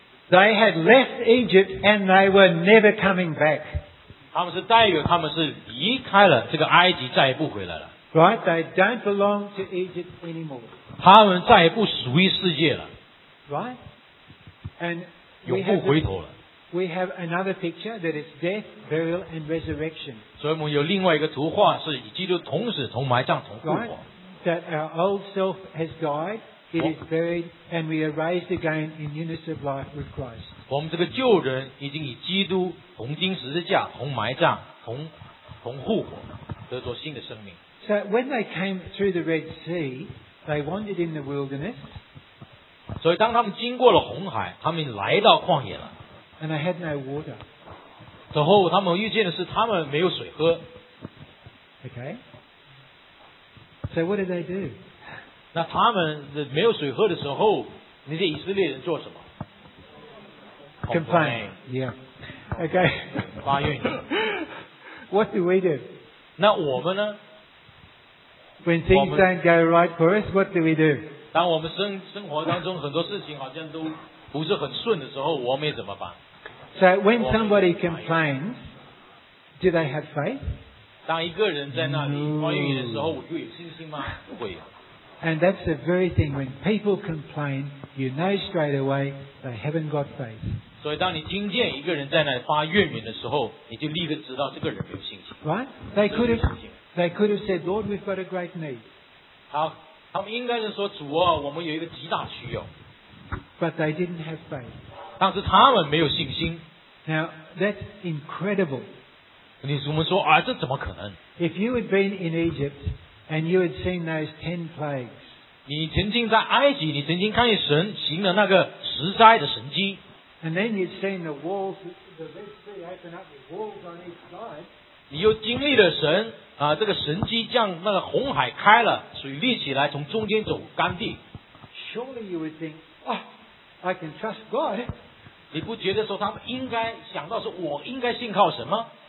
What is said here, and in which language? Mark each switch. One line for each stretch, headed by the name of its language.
English: They had left Egypt and they were never coming back.
Chinese: 他们是代表他们是离开了这个埃及，再也不回来了。
English: Right, they don't belong to Egypt anymore.
Chinese: 他们再也不属于世界了。
English: Right, and
Chinese: 永不回头了。
English: We have another picture that is death, burial, and resurrection.
Chinese: 所以我们有另外一个图画是与基督同死、同埋葬、同复活。
English: That our old self has died, it is buried, and we are raised again in newness of life with Christ.
Chinese: 我们这个旧人已经与基督同钉十字架、同埋葬、同复活，得着新的生命。
English: So when they came through the Red Sea, they wandered in the wilderness.
Chinese: 所以当他们经过了红海，他们来到旷野了。
English: And they had no water.
Chinese: 之后他们遇见的是他们没有水喝。
English: Okay. So what did they do?
Chinese: 那他们没有水喝的时候，那些以色列人做什么？
English: Complain. Yeah. Okay.
Chinese: 发愿。
English: What do we do?
Chinese: 那我们呢？
English: When things don't go right for us, what do we do?
Chinese: 当我们生活当中很多事情好像都不是很顺的时候，我们也怎么办？
English: So when somebody complains, do they have faith?
Chinese: 当一个人在那里抱怨的时候，我就有信心吗？不会。
English: And that's the very thing. When people complain, you know straight away they haven't got faith.
Chinese: 所以当你听见一个人在那里发怨言的时候，你就立刻知道这个人没有信心。
English: Right? They could have said, "Lord, we've got a great need."
Chinese: 好，他们应该是说，主啊，我们有一个极大需要。
English: But they didn't have faith.
Chinese: 但是他们没有信心。
English: Now that's incredible.
Chinese: 你我们说啊，这怎么可能
English: ？If you had been in Egypt and you had seen those 10 plagues,
Chinese: 你曾经在埃及，你曾经看见神行了那个十灾的神迹。
English: And then you'd seen the walls, the Red Sea open up, the walls on each side.
Chinese: 你又经历了神啊，这个神迹将那个红海开了，水立起来，从中间走干地。
English: Surely you would think. I can trust God.
Chinese: 你不觉得说他们应该想到是我应该信靠什么？